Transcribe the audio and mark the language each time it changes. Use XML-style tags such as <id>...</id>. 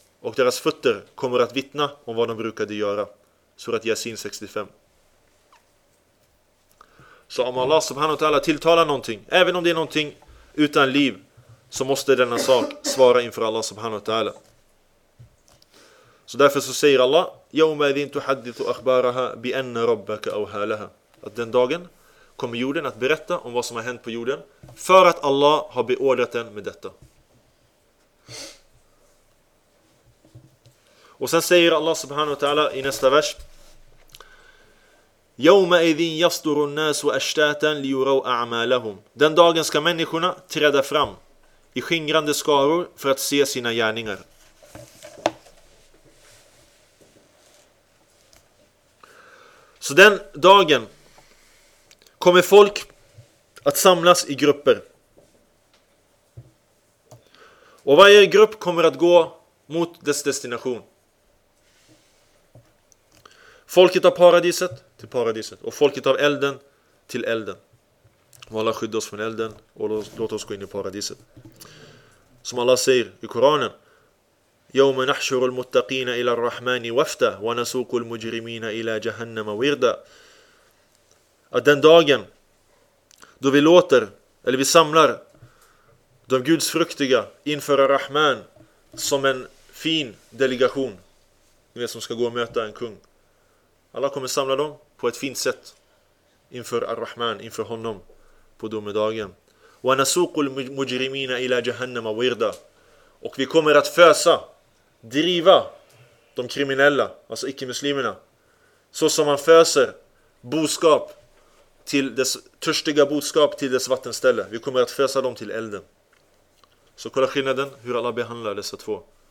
<sv>Och deras fötter kommer att vittna om vad de brukade göra. Surat Yasin 65. Så om Allah subhanahu wa ta'ala tilltalar någonting, även om det är någonting utan liv, så måste denna sak svara inför Allah subhanahu wa ta'ala. Så därför så säger Allah,</sv> <ar>يَوْمَ اِذِنْ تُحَدِّثُ أَخْبَارَهَا بِأَنَّ رَبَّكَ أَوْهَالَهَا.</ar> <sv>Att den dagen kommer jorden att berätta om vad som har hänt på jorden, för att Allah har beordrat den med detta. Och sen säger Allah subhanahu wa ta'ala i nästa vers,</sv> <ar>يَوْمَ اِذِنْ يَصْدُرُ النَّاسُ أَشْتَاتًا لِيُرَوْ أَعْمَالَهُمْ.</ar> <sv>Den dagen ska människorna träda fram i skingrande skaror för att se sina gärningar. Så den dagen kommer folk att samlas i grupper. Och varje grupp kommer att gå mot dess destination. Folket av paradiset till paradiset. Och folket av elden till elden. Och Allah skydda oss från elden och låt oss gå in i paradiset. Som Allah säger i Koranen.</sv> <ar>يوم نحشر المتقين إلى الرحمن وفدا ونسوق المجرمين إلى جهنم وردا.</ar> <sv>Att den dagen då vi låter eller vi samlar de gudsfruktiga inför Rahman som en fin delegation, ni vet, som ska gå och möta en kung. Alla kommer samla dem på ett fint sätt inför Rahman, inför honom på domedagen.</sv> <ar>ونسوق المجرمين إلى جهنم وردا.</ar> <sv>Och vi kommer att fösa, driva de kriminella, alltså icke-muslimerna, så som man föser boskap till dess törstiga boskap till dess vattenställe. Vi kommer att fösa dem till elden. Så kolla skillnaden hur Allah behandlar dessa två.</sv>